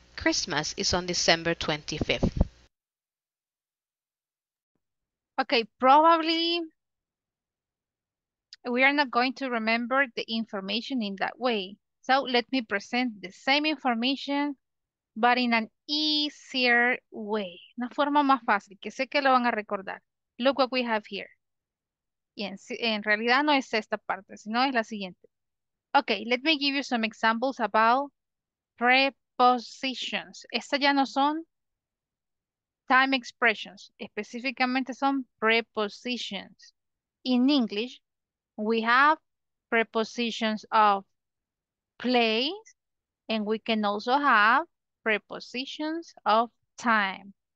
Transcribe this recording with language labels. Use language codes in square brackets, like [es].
[en] Christmas is on December 25th. Okay, probably we are not going to remember the information in that way. So let me present the same information, but in an easier way. [es] Una forma más fácil, que sé que lo van a recordar. [en] Look what we have here. [es] Y en realidad no es esta parte, sino es la siguiente. [en] Okay, let me give you some examples about prepositions. [es] Estas ya no son time expressions. Específicamente son prepositions. [en] In English, we have prepositions of place, and we can also have prepositions of time.